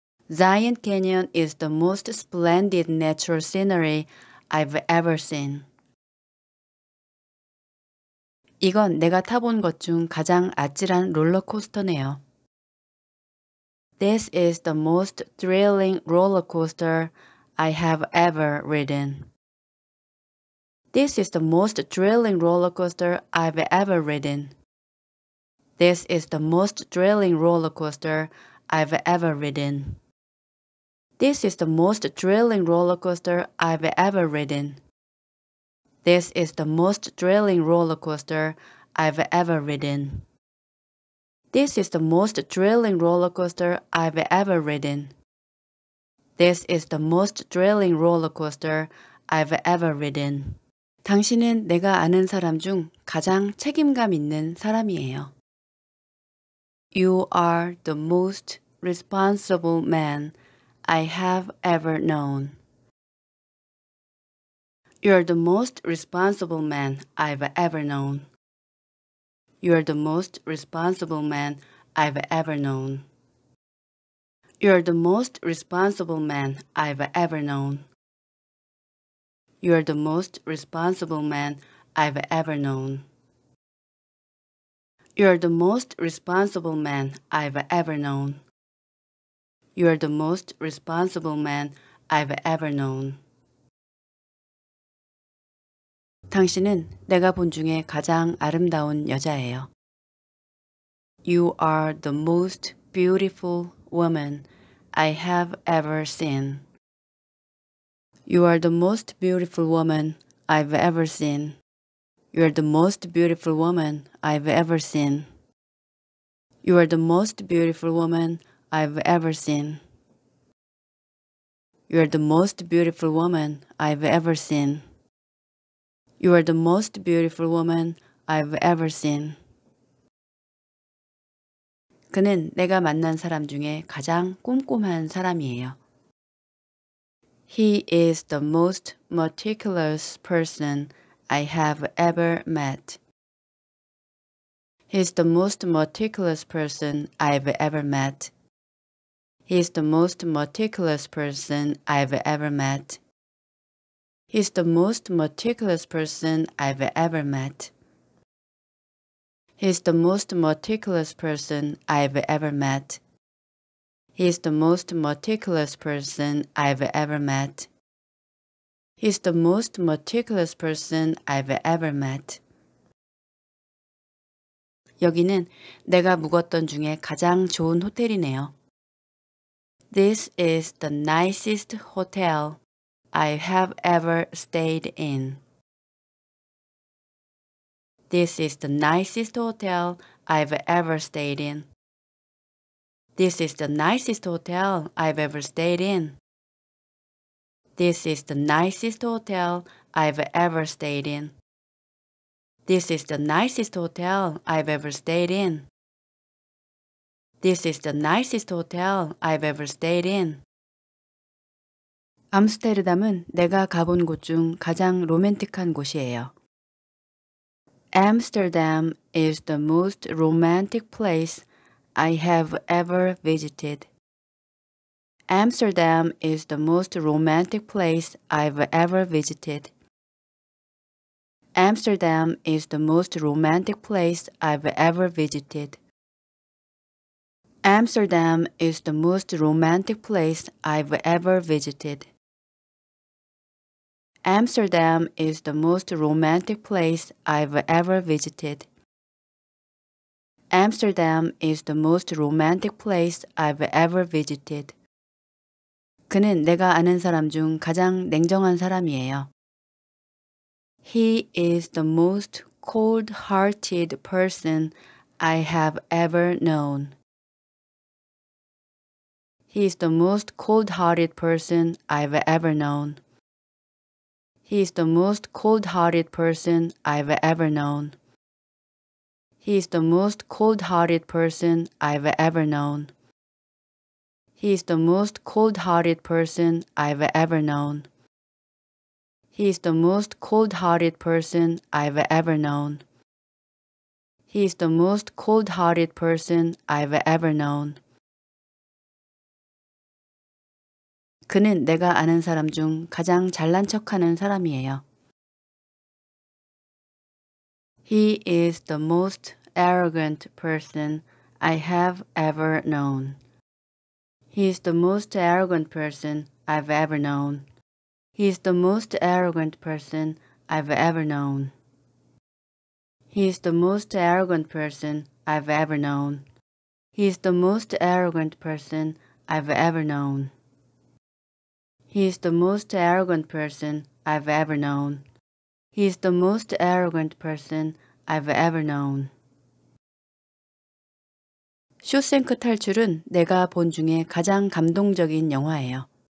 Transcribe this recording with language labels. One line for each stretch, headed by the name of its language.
English: Zion Canyon is the most splendid natural scenery I've ever seen.
Korean: 이건 내가 타본 것 중 가장 아찔한 롤러코스터네요.
English: This is the most thrilling roller coaster I have ever ridden. This is the most thrilling roller coaster I've ever ridden. This is the most thrilling roller coaster I've ever ridden. This is the most thrilling roller coaster I've ever ridden. This is the most thrilling roller coaster I've ever ridden. This is the most thrilling roller coaster I've ever ridden. This is the most thrilling roller coaster I've ever ridden.
Korean: 당신은 내가 아는 사람 중 가장 책임감 있는 사람이에요.
English: You are the most responsible man I have ever known. You're the most responsible man I've ever known. You're the most responsible man I've ever known. You're the most responsible man I've ever known. You're the most responsible man I've ever known. You're the most responsible man I've ever known. You're the most responsible man I've ever known.
Korean: 당신은 내가 본 중에 가장 아름다운 여자예요.
English: You are the most beautiful woman I have ever seen. You are the most beautiful woman I've ever seen. You are the most beautiful woman I've ever seen. You are the most beautiful woman I've ever seen. You are the most beautiful woman I've ever seen. You are the most beautiful woman I've ever seen.
Korean: 그는 내가 만난 사람 중에 가장 꼼꼼한 사람이에요.
English: He is the most meticulous person I have ever met. He is the most meticulous person I've ever met. He is the most meticulous person I've ever met. He's the most meticulous person I've ever met. He's the most meticulous person I've ever met. He's the most meticulous person I've ever met. He's the most meticulous person I've ever met.
Korean: 여기는 내가 묵었던 중에 가장 좋은 호텔이네요.
English: This is the nicest hotel I have ever stayed in. This is the nicest hotel I've ever stayed in. This is the nicest hotel I've ever stayed in. This is the nicest hotel I've ever stayed in. This is the nicest hotel I've ever stayed in. This is the nicest hotel I've ever stayed in.
Korean: 암스테르담은 내가 가본 곳 중 가장 로맨틱한 곳이에요.
English: Amsterdam is the most romantic place I have ever visited. Amsterdam is the most romantic place I've ever visited. Amsterdam is the most romantic place I've ever visited. Amsterdam is the most romantic place I've ever visited. Amsterdam is the most romantic place I've ever visited. Amsterdam is the most romantic place I've ever visited.
Korean: 그는 내가 아는 사람 중 가장 냉정한 사람이에요.
English: He is the most cold-hearted person I have ever known. He is the most cold-hearted person I've ever known. He is the most cold-hearted person I've ever known. He is the most cold-hearted person I've ever known. He is the most cold-hearted person I've ever known. He is the most cold-hearted person I've ever known. He is the most cold-hearted person I've ever known.
Korean: 그는 내가 아는 사람 중 가장 잘난 척하는 사람이에요.
English: He is the most arrogant person I have ever known. He is the most arrogant person I've ever known. He is the most arrogant person I've ever known. He is the most arrogant person I've ever known. He is the most arrogant person I've ever known. He is the most arrogant person I've ever known. He is the most arrogant person I've ever known.
Korean: 쇼생크 탈출은 내가 본 중에 가장 감동적인 영화예요.